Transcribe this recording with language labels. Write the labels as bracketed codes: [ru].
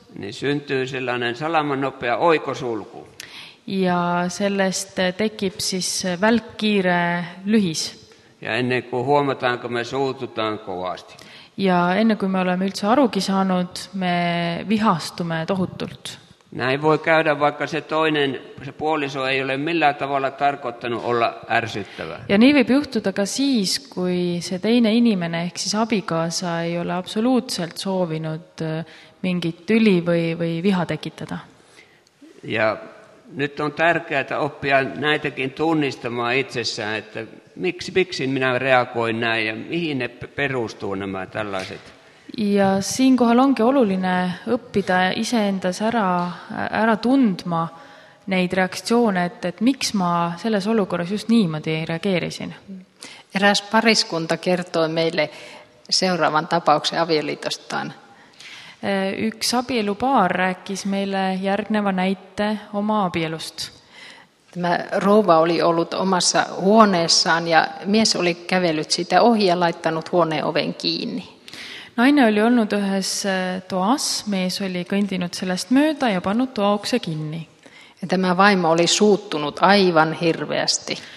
[fi] Niin syntyy sellainen salamannopea oikosulku. [et] Ja sellest tekib siis välkkiire lühis. [fi] Ja ennen kuin huomataanko, me suututaan kovasti. [et] Ja ennen kuin me oleme üldse arugi saanud, me vihastume tohutult. [fi] Näin voi käydä, vaikka se toinen, se puoliso ei ole millään tavalla tarkoittanut olla ärsyttävä. [et] Ja niin võib juhtuda ka siis, kui see teine inimene, ehk siis abikaasa, ei ole absoluutselt soovinud mingit tüli või viha tekitada. [fi] Ja nyt on tärkeää oppia näitäkin tunnistamaan itsessään, että miksi minä reagoin näin ja mihin ne perustuu nämä tällaiset. [et] Ja siin kohal ongi oluline õppida ise endas ära tundma neid reaktsioone, et miks ma selles olukorras just niimoodi reageerisin. [fi] Eräs pariskunta kertoo meile seuraavan tapauksen avioliitostaan. [et] Üks abielupaar rääkis meile järgneva näite oma abielust. [fi] Tämä rouva oli ollut omassa huoneessaan ja mies oli kävellyt sitä ohi ja laittanut huoneen oven kiinni. [et] Naine oli olnud ühes toas, mees oli kõndinud sellest mööda ja pannud toaukse kinni. [fi] Ja tämä vaimo oli suuttunut aivan hirveästi.